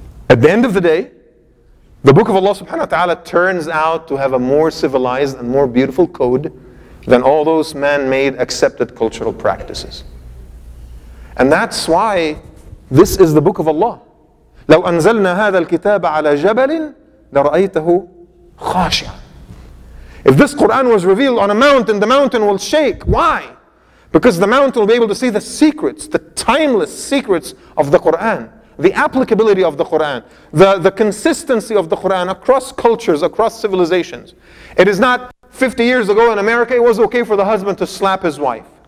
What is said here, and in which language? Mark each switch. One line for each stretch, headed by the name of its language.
English: At the end of the day, the book of Allah subhanahu wa ta'ala turns out to have a more civilized and more beautiful code than all those man-made accepted cultural practices. And that's why this is the book of Allah.
Arabic: لو أنزلنا هذا الكتاب على جبل لرأيته خاشع.
English: If this Quran was revealed on a mountain, the mountain will shake. Why? Because the mountain will be able to see the secrets, the timeless secrets of the Quran, the applicability of the Quran, the consistency of the Quran across cultures, across civilizations. It is not 50 years ago in America, it was okay for the husband to slap his wife.